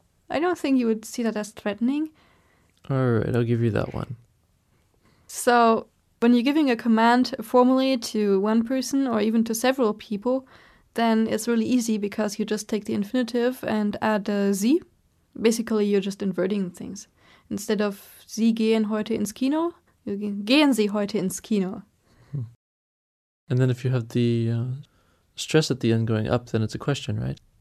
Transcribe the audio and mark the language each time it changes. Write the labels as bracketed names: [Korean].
[English] I don't think you would see that as threatening. All right, I'll give you that one. So, when you're giving a command formally to one person or even to several people, then it's really easy because you just take the infinitive and add a Z. Basically, you're just inverting things. Instead of [German] Sie gehen heute ins Kino, [English] you [German] gehen Sie heute ins Kino. [English] And then if you have the stress at the end going up, then it's a question, right?